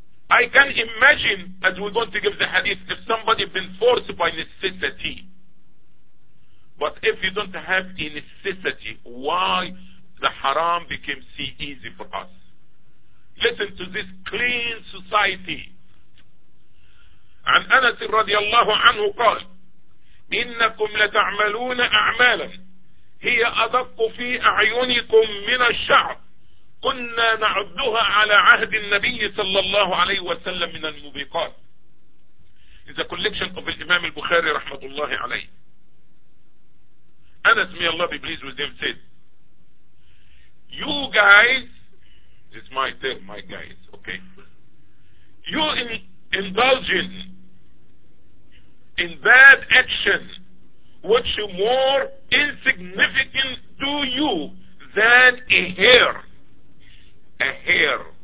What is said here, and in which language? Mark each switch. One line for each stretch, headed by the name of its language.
English: I can imagine, as we're going to give the hadith, if somebody been forced by necessity. But if you don't have a necessity, why the haram became so easy for us? Listen to this clean society.
Arabic: عن أنس رضي الله عنه قال إنكم لتعملون أعمالا هي أدق في أعينكم من الشعر كنا نعدها على عهد النبي صلى الله عليه وسلم من المبيقات.
English: It's a collection of Imam al-Bukhari
Arabic: رحمة الله عليه.
English: Anas, may Allah be pleased with him, said, you guys This is my term, my guys, okay? You indulging in bad action, which is more insignificant to you than a hair. A hair.